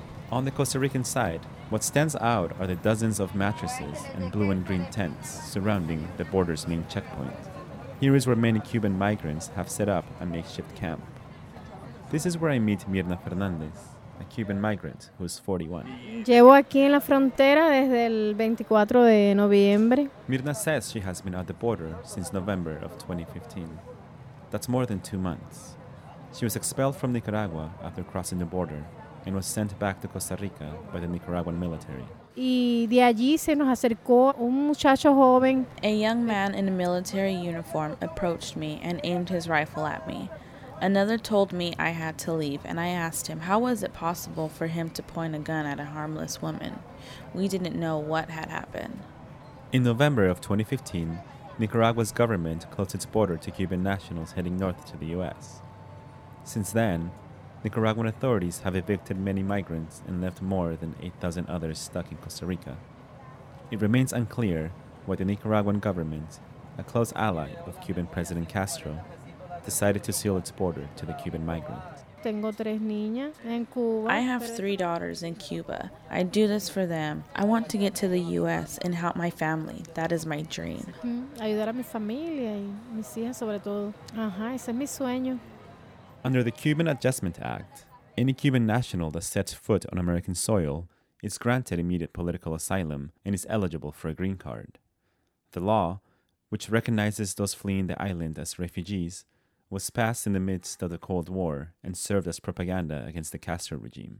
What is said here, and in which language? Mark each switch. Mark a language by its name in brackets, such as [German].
[English] On the Costa Rican side, what stands out are the dozens of mattresses and blue and green tents surrounding the border's main checkpoint. Here is where many Cuban migrants have set up a makeshift camp. This is where I meet Mirna Fernandez, a Cuban migrant who is 41. [Spanish] Llevo aquí en la frontera desde el 24 de noviembre. [English] Mirna says she has been at the border since November of 2015. That's more than 2 months. She was expelled from Nicaragua after crossing the border and was sent back to Costa Rica by the Nicaraguan military. [Spanish] Y de allí se nos acercó un muchacho joven. [English] A young man in a military uniform approached me and aimed his rifle at me. Another told me I had to leave, and I asked him, how was it possible for him to point a gun at a harmless woman? We didn't know what had happened. In November of 2015, Nicaragua's government closed its border to Cuban nationals heading north to the U.S. Since then, Nicaraguan authorities have evicted many migrants and left more than 8,000 others stuck in Costa Rica. It remains unclear why the Nicaraguan government, a close ally of Cuban President Castro, decided to seal its border to the Cuban migrants. I have 3 daughters in Cuba. I do this for them. I want to get to the U.S. and help my family. That is my dream. [Spanish] Ayudar a mi familia y mis hijas sobre todo. Ajá, ese es mi sueño. [English] Under the Cuban Adjustment Act, any Cuban national that sets foot on American soil is granted immediate political asylum and is eligible for a green card. The law, which recognizes those fleeing the island as refugees, was passed in the midst of the Cold War and served as propaganda against the Castro regime.